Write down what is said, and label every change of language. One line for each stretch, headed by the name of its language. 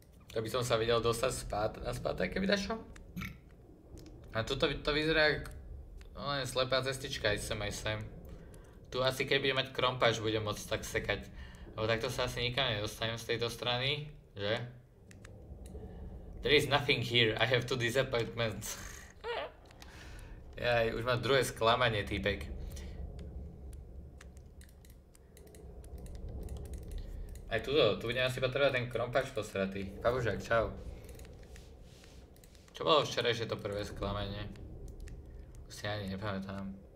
Slovak: To by som sa videl dostať spát, na spátek, keby dačo. A tuto to vyzerá ako... No, slepá cestička, aj sem, aj sem. Tu asi keď budem mať krompáč, budem môcť tak sekať. Lebo takto sa asi nikam nedostanem z tejto strany, že?
English: There is nothing here, I have two disappointments.
Slovak: Jaj, už mám druhé sklamanie, týpek. Aj tuto, tu budem asi potrebovať ten krompáč posratý. Pabužák, čau. Čo bolo včerajšie to prvé sklamanie? Už si ani nepamätám.